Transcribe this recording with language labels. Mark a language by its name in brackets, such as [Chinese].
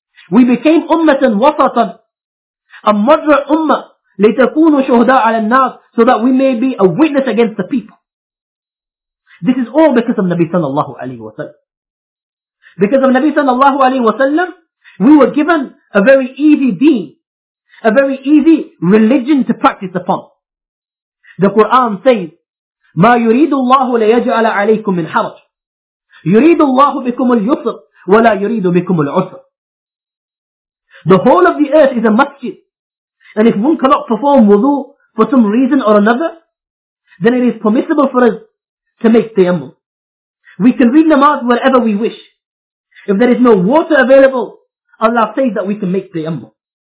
[English] We became ummatan wasatan, a moderate ummah, [Arabic] لِتَكُونُوا شُهْدَاءَ عَلَى النَّاسِ, [English] so that we may be a witness against the people. This is all because of Nabi sallallahu alayhi wa sallam. Because of Nabi sallallahu alayhi wa sallam, we were given a very easy deen, a very easy religion to practice upon. The Quran says, [Arabic] مَا يُرِيدُ اللَّهُ لَيَجْعَلَ عَلَيْكُم مِّنْ حَرَجٍ يُرِيدُ اللَّهُ بِكُمُ الْيُسْرَ وَلَا يُرِيدُ بِكُمُ الْعُسْرَ. [English] The whole of the earth is a masjid. And if one cannot perform wudu for some reason or another, then it is permissible for us to make tayammum. We can read namaz wherever we wish. If there is no water available, Allah says that we can make tayammum.